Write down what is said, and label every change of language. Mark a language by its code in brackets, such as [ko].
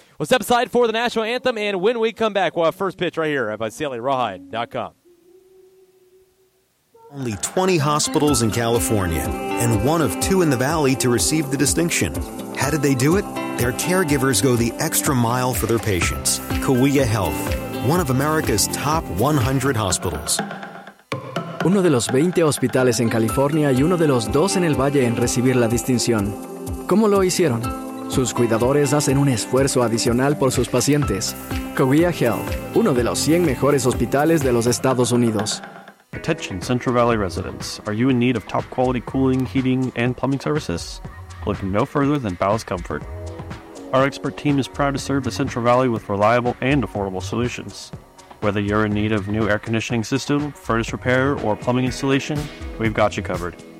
[en] We'll step aside for the national anthem, and when we come back, we'll have first pitch right here at VisaliaRawhide.com. Only 20 hospitals in California, and one of two in the Valley to receive the distinction. How did they do it? Their caregivers go the extra mile for their patients. Kaweah Health, one of America's top 100 hospitals. [es] Uno de los 20 hospitales en California y uno de los dos en el Valle en recibir la distinción. ¿Cómo lo hicieron? Sus cuidadores hacen un esfuerzo adicional por sus pacientes. Kaweah Health, uno de los 100 mejores hospitales de los Estados Unidos. [en] Attention Central Valley residents, are you in need of top quality cooling, heating, and plumbing services? Look no further than Bowles Comfort. Our expert team is proud to serve the Central Valley with reliable and affordable solutions. Whether you're in need of new air conditioning system, furnace repair, or plumbing installation, we've got you covered.